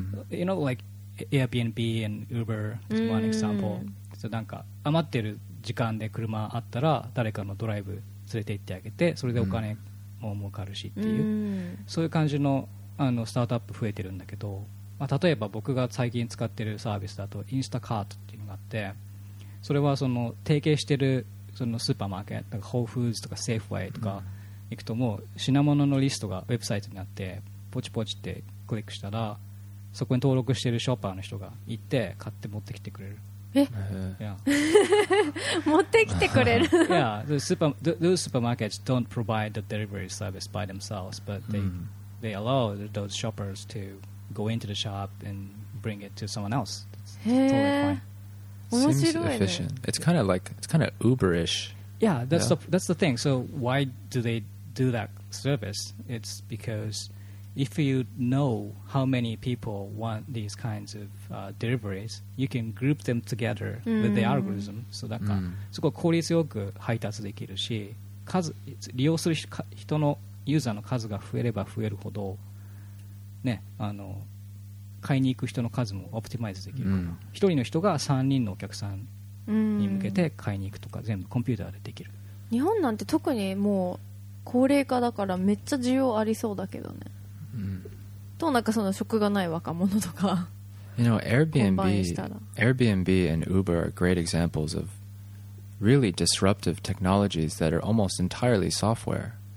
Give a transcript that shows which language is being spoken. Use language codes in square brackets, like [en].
[en] You know, like Airbnb and Uber is one example. [ja] So なんか余ってる時間で車あったら誰かのドライブ連れて行ってあげてそれでお金も儲かるしっていう、そういう感じ あのスタートアップ増えてるんだけど、まあ、例えば僕が最近使ってるサービスだとインスタカートっていうのがあって、それはその提携してるそのスーパーマーケットホーフーズとかセーフウェイとか行くともう品物のリストがウェブサイトにあってポチポチってクリックしたらそこに登録してるショッパーの人が行って買って持ってきてくれる。持ってきてくれる。 [en] Yeah, those supermarkets don't provide the delivery service by themselves, but they allow those shoppers to go into the shop and bring it to someone else. It's totally fine. Seems efficient. It's kind of like, it's kind of Uber-ish. Yeah, that's the thing. So why do they do that service? It's because if you know how many people want these kinds of deliveries, you can group them together with the algorithm. So that kind of, so go [ja] 効率よく配達できるし、数利用する人のユーザーの数が増えれば増えるほど、ね、あの買いに行く人の数もオプティマイズできるから、1人の人が3人のお客さんに向けて買いに行くとか全部コンピューターでできる。日本なんて特にもう高齢化だからめっちゃ需要ありそうだけどね。と、なんかその職がない若者とか。 [en] You know, Airbnb, Airbnb and Uber are great examples of really disruptive technologies that are almost entirely software.